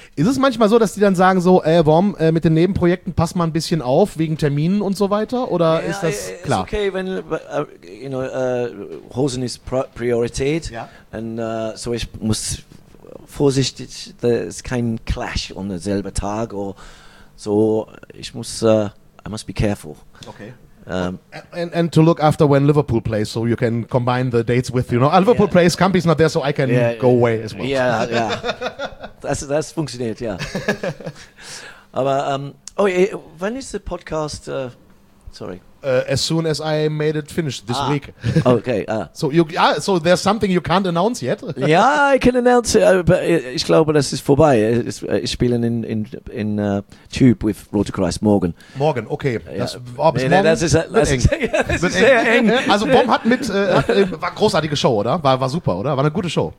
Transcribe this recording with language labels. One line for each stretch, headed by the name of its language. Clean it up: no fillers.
German: Ist es manchmal so, dass die dann sagen so, Wom, mit den Nebenprojekten pass mal ein bisschen auf, wegen Terminen und so weiter? Oder ja, ist das klar? Ist okay, wenn, you know, Hosen ist Priorität. Ja. Und so, ich muss vorsichtig, da ist kein Clash um denselben Tag oder so. Ich muss,
English: I must be careful. Okay. And to look after when Liverpool plays, so you can combine the dates with, you know, Liverpool plays, Campy's not there, so I can go away as well.
German: Yeah, yeah. Das funktioniert, ja. Aber, wann ist der Podcast, sorry?
English: As soon as I made it finished this week. Okay. So there's something you can't announce yet?
German: Ja,
English: I can announce it, but
German: ich glaube, das ist vorbei. Ich spiele in Tube with Roter Kreis morgen. Morgen, okay. Das ist sehr eng. Also Wom hat mit, war großartige Show, oder? War super, oder? War eine gute Show.